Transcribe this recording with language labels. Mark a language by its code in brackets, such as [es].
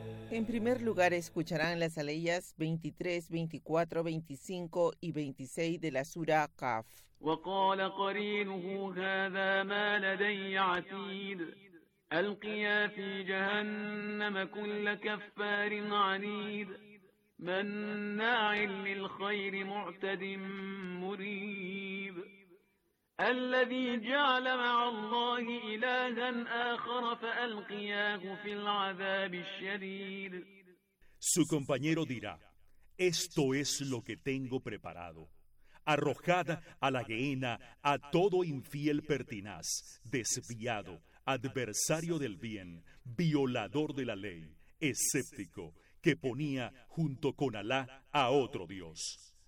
[es] En primer lugar, escucharán las aleyas 23, 24, 25 y 26 de la sura Kaf. [ar] وقال قرينه هذا ما لدي عتيد ألقيا في جهنم كل كفار عنيد مناع للخير معتد مريب الذي جعل مع الله إلها آخر فألقياه في العذاب الشديد. [es] Su compañero dirá: esto es lo que tengo preparado. Arrojad a la gehenna a todo infiel pertinaz, desviado, adversario del bien, violador de la ley, escéptico, que ponía junto con Alá a otro Dios.